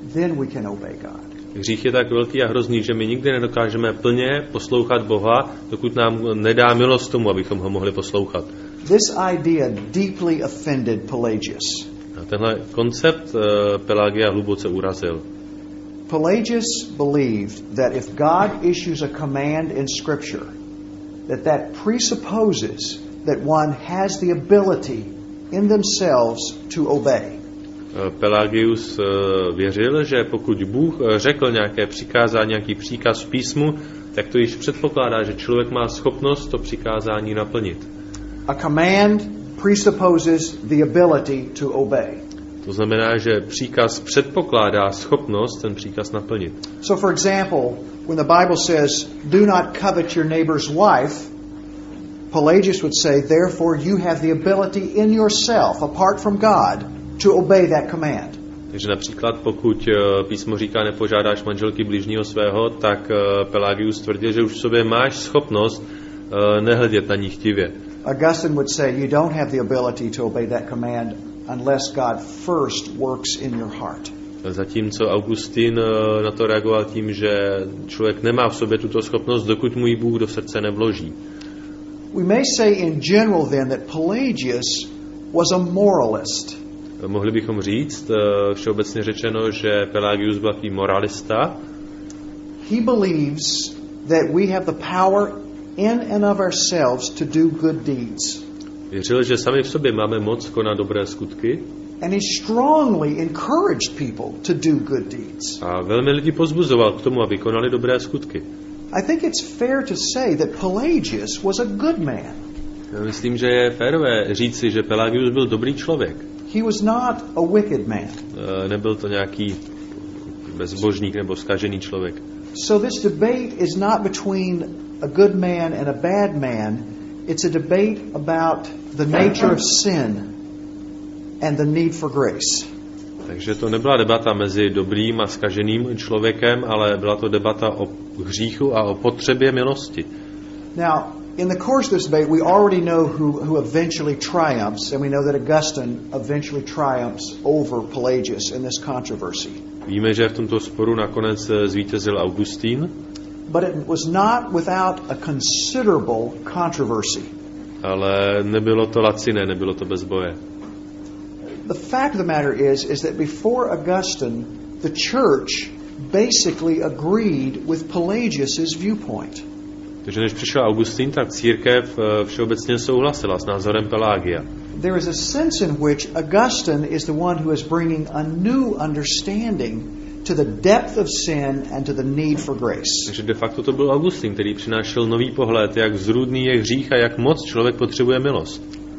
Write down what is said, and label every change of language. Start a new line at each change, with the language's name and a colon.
English: Then we can obey God.
Czech: Hřích je tak velký a hrozný, že my nikdy nedokážeme plně poslouchat Boha, dokud nám nedá milost tomu, abychom ho mohli poslouchat.
English: This idea deeply offended Pelagius.
Czech: A tenhle koncept Pelagia hluboce urazil.
English: Pelagius believed that if God issues a command in Scripture, that presupposes that one has the ability in themselves to obey.
Czech: Pelagius věřil, že pokud Bůh řekl nějaké přikázání, nějaký příkaz v písmu, tak to již předpokládá, že člověk má schopnost to přikázání naplnit.
English: A command presupposes the ability to obey.
Czech: To znamená, že příkaz předpokládá schopnost ten příkaz naplnit.
English: So for example, when the Bible says do not covet your neighbor's wife, Pelagius would say, therefore you have the ability in yourself, apart from God, to obey that command.
Czech: Takže například, pokud písmo říká nepožádáš manželky blížního svého, tak Pelagius tvrdí, že už v sobě máš schopnost nehledět na ní chtivě.
English: Augustine would say, you don't have the ability to obey that command unless God first works in your heart.
Czech: Zatímco Augustin na to reagoval tím, že člověk nemá v sobě tuto schopnost, dokud mu ji Bůh do srdce nevloží.
English: We may say in general then that Pelagius was a moralist.
Czech: Mohli bychom říct, všeobecně řečeno, že Pelagius byl takový moralista.
English: He believes that we have the power in and of ourselves to do good deeds.
Czech: Věřil, že sami v sobě máme moc konat dobré skutky.
English: And he strongly encouraged people to do good deeds.
Czech: A velmi lidi pozbuzoval k tomu, aby konali dobré skutky.
English: I think it's fair to say that Pelagius was a good man.
Czech: Já myslím, že je férové říci, že Pelagius byl dobrý člověk.
English: He was not a wicked man.
Czech: Nebyl to nějaký bezbožník nebo zkažený člověk.
English: So this debate is not between a good man and a bad man. It's a debate about the nature of sin and the need for grace.
Czech: Takže to nebyla debata mezi dobrým a zkaženým člověkem, ale byla to debata o hříchu a o potřebě milosti.
English: Now, in the course of this debate, we already know who eventually triumphs, and we know that Augustine eventually triumphs over Pelagius in this controversy.
Czech: Víme, že v tomto sporu nakonec zvítězil Augustín.
English: But it was not without a considerable controversy.
Czech: Ale nebylo to laciné, nebylo to bez boje.
English: The fact of the matter is that before Augustine, the church basically agreed with Pelagius's viewpoint.
Czech: Takže než přišel Augustin, tak církev všeobecně souhlasila s názorem Pelagia.
English: There is a sense in which Augustine is the one who is bringing a new understanding to the depth of sin and to the need for grace.
Czech: Takže de facto to byl Augustin, který přinášel nový pohled, jak zrůdný je hřích a jak moc člověk potřebuje milost.